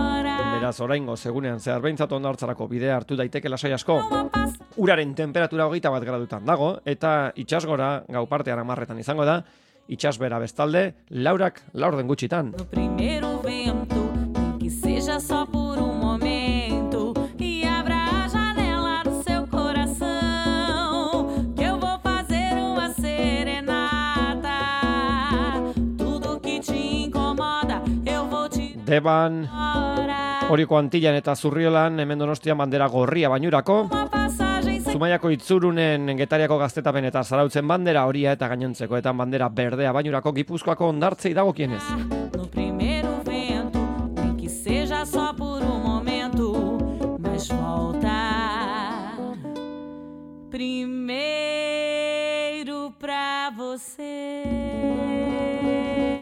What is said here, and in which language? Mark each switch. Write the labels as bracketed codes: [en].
[eu] Beraz, oraingo, segunean zehar behintzat ondartzarako bidea hartu daiteke lasai asko. Uraren temperatura 21 gradutan dago, eta itxasgora gau partean 10 izango da, itxasbera bestalde, laurak laurden gutxitan. [pt] No primero vento, que seja só por momento, e abra a janela do seu coração, que eu vou fazer uma serenata, tudo que te incomoda, eu vou te... [eu] Deban, Orioko Antillan eta Zurriolan, hemen Donostian bandera gorria bainurako. Zumaiako Itzurunen Getariako gaztetapen eta Zarautzen bandera horia eta gainontzekoetan bandera berdea bainurako Gipuzkoako ondartzei dagokienez. [pt] No primeiro vento, nem que seja só por momento, mas volta primeiro pra você.